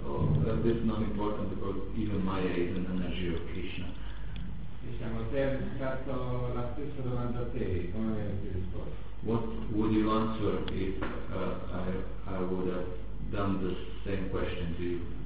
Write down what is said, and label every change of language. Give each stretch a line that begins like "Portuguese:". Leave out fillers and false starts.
English: Oh, this is not important because even Maya is an energy of Krishna.
Italian: Diciamo, se hai fatto la stessa domanda a te, come avresti risposto?
English: What would you answer if I would have done the same question to you?